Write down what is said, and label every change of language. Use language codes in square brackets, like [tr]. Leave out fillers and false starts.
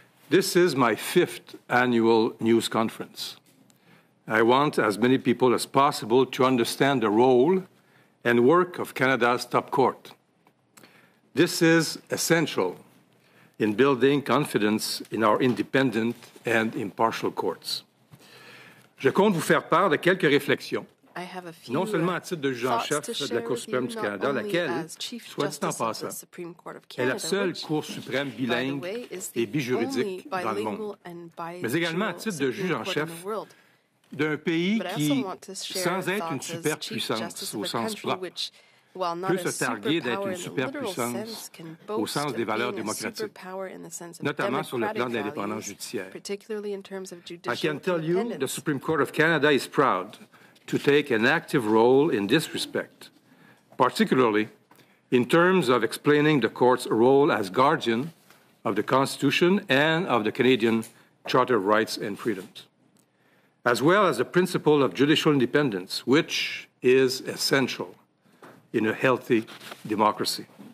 [en] This is my fifth annual news conference. I want as many people as possible to understand the role and work of Canada's top court. This is essential in building confidence in our independent and impartial courts. [fr] Je compte vous faire part de quelques réflexions. [en] I have a few [fr] non seulement à titre de juge en chef de la Cour suprême du Canada, laquelle, soit dit en passant, est la seule Cour suprême bilingue et bijuridique dans le monde, mais également à titre de juge en chef d'un pays qui, sans être une superpuissance au sens propre, peut se targuer d'être une superpuissance au sens des valeurs démocratiques, notamment sur le plan de l'indépendance judiciaire. [en] I can tell you the Supreme Court of Canada is proud to take an active role in this respect, particularly in terms of explaining the court's role as guardian of the Constitution and of the Canadian Charter of Rights and Freedoms, as well as the principle of judicial independence, which is essential in a healthy democracy.